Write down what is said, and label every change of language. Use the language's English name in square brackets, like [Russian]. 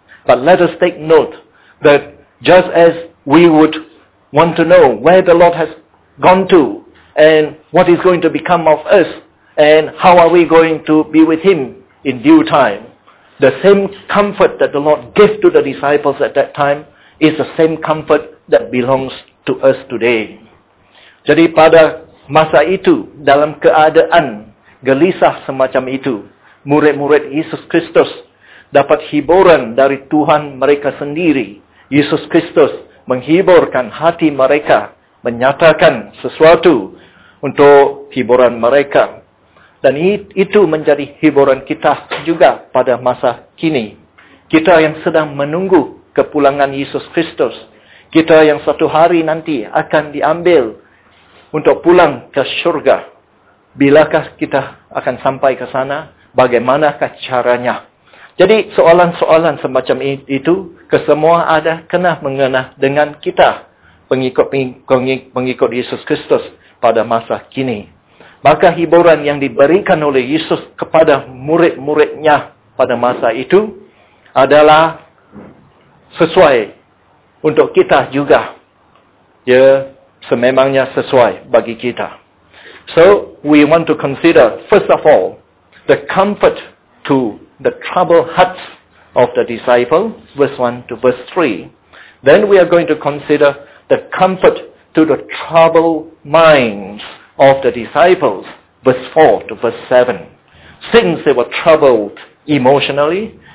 [English] But let us take note that just as we would want to know where the Lord has gone to and what is going to become of us and how are we going to be with him in due time, the same comfort that the Lord gave to the disciples at that time is the same comfort that belongs to us today. [Malay] Jadi pada masa itu, dalam keadaan gelisah semacam itu, murid-murid Yesus Kristus dapat hiburan dari Tuhan mereka sendiri. Yesus Kristus menghiburkan hati mereka, menyatakan sesuatu untuk hiburan mereka. Dan itu menjadi hiburan kita juga pada masa kini. Kita yang sedang menunggu kepulangan Yesus Kristus, kita yang satu hari nanti akan diambil untuk pulang ke syurga. Bilakah kita akan sampai ke sana? Bagaimanakah caranya? Jadi soalan-soalan semacam itu, kesemua ada kena mengena dengan kita, pengikut Yesus Kristus pada masa kini. Maka hiburan yang diberikan oleh Yesus kepada murid-muridnya pada masa itu adalah sesuai untuk kita juga. Ya, sememangnya sesuai bagi kita. [English] So, we want to consider, first of all, the comfort to the troubled hearts of the disciple, verse 1 to verse 3. Then we are going to consider the comfort to the troubled minds of the disciples, verse 4 to verse 7. Since they were troubled emotionally,